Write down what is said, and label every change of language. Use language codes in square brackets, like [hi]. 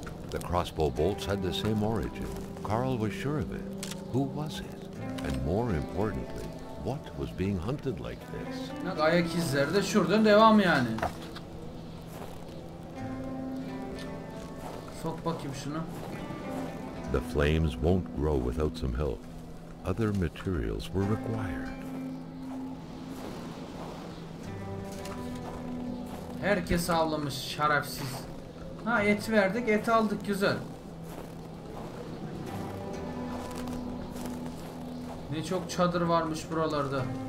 [en] The crossbow bolts had the same origin. Carl was sure of it. Who was it? And more importantly, what was being hunted like this? [tr] Bak ayak izleri de şuradan devam yani. Sok bakayım şunu. [en] The flames won't grow without some help. other materials were required. [tr] Herkes avlamış şerefsiz. Ha, et verdik, et aldık, güzel. Ne çok çadır varmış buralarda.